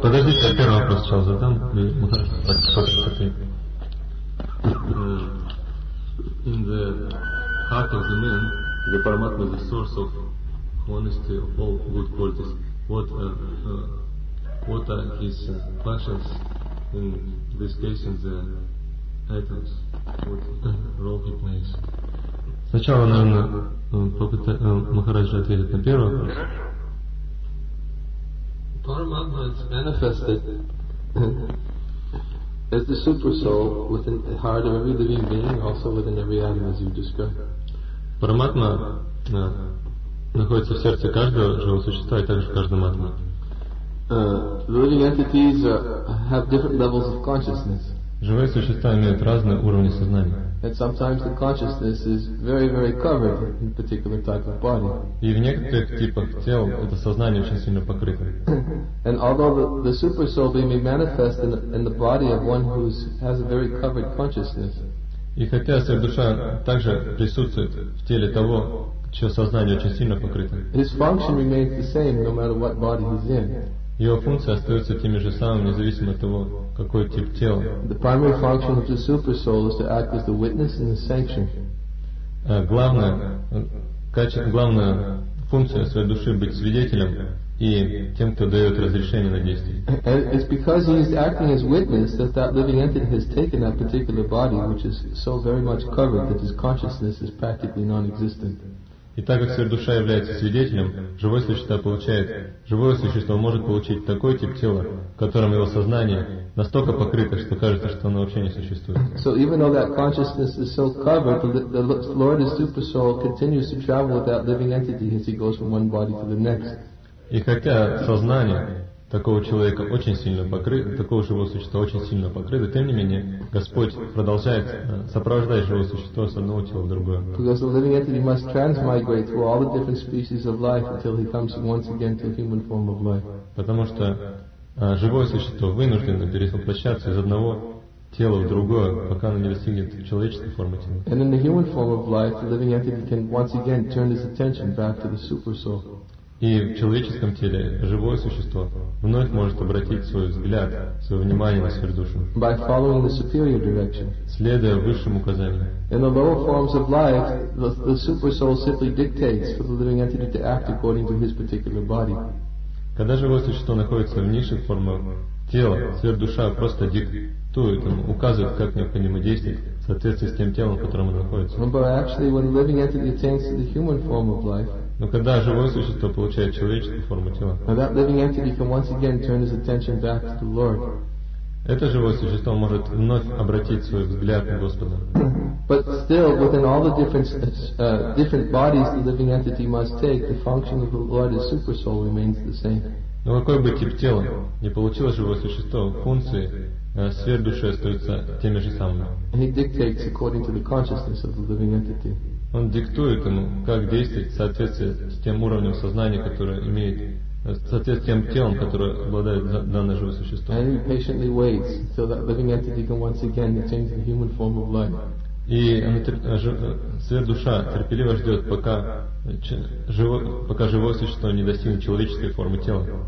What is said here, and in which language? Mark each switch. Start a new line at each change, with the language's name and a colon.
Russian: подождите, я первый вопрос сейчас задам.
English: In the heart of the man, the Paramatma is the source of honesty of all good qualities. What are his passions in this case in the atoms? What role he plays?
Russian: Сначала, наверное, Махарадж ответит на первый вопрос.
English: Paramatma is manifested as the super soul within the heart of every living being, also within every atom, as you described.
Russian: Paramatma находится в сердце каждого живого существа и также в каждом атоме.
English: Living entities have different levels of consciousness.
Russian: Живые существа имеют разные уровни сознания.
English: And sometimes the consciousness is very, very covered in a particular type of body.
Russian: И в некоторых типах тел это сознание очень сильно покрыто.
English: And although the super soul may manifest in the body of one who has a very covered consciousness.
Russian: И хотя сверхдуша также присутствует в теле того, чье сознание очень сильно покрыто.
English: His function remains the same no matter what body he's in.
Russian: Его функции остаются теми же самыми, независимо от того, какой тип тела.
English: The primary function of the super soul is to act as the witness and the sanction.
Russian: Главная функция своей души быть свидетелем и тем, кто дает разрешение на действие.
English: And it's because he is acting as witness that that living entity has taken that particular body, which is so very much covered that his consciousness is practically non-existent.
Russian: И так как сверхдуша является свидетелем, живое существо может получить такой тип тела, в котором его сознание настолько покрыто, что кажется, что оно вообще не существует.
English: So even though that consciousness is so covered, the Lord is super soul continues to travel with that living entity as he goes from one body to the next.
Russian: И хотя сознание такого человека очень сильно покрыто, такого живого существа очень сильно покрыто, тем не менее, Господь продолжает сопровождать живое существо с одного тела в другое.
English: Because the living entity must transmigrate through all the different species of life until he comes once again to a human form of life.
Russian: Потому что живое существо вынуждено перевоплощаться из одного тело в другое, пока оно не достигнет человеческой формы тела.
English: And in the human form of life, the living entity can once again turn his attention back to the super soul.
Russian: И в человеческом теле живое существо вновь может обратить свой взгляд, свое внимание на сверхдушу.
English: By following the superior direction.
Russian: Следуя высшим указаниям.
English: In the lower forms of life, the super soul simply dictates for the living entity to act according to his particular body.
Russian: Когда живое существо находится в низших формах тела, сверхдуша просто диктует ему, указывает, как необходимо действовать в соответствии с тем телом, в котором он находится.
English: But actually, when the living entity attains to the human form of life,
Russian: но когда живое существо получает человеческую форму тела,
English: that living entity can once again turn his attention back to the Lord.
Russian: Это живое существо может вновь обратить свой взгляд на Господа.
English: But still, within all the different bodies the living entity must take, the function of the Lord as super soul remains the same.
Russian: Но какой бы тип тела ни получило живое существо, функции сверхдуши остаются теми же самыми.
English: He dictates according to the consciousness of the living entity.
Russian: Он диктует ему, как действовать в соответствии с тем уровнем сознания, которое имеет, в соответствии с тем телом, которое обладает данное живое существо.
English: And he patiently waits until that living entity can once again attain the human form of life.
Russian: И сверхдуша терпеливо ждет, пока живое существо не достигнет человеческой формы тела.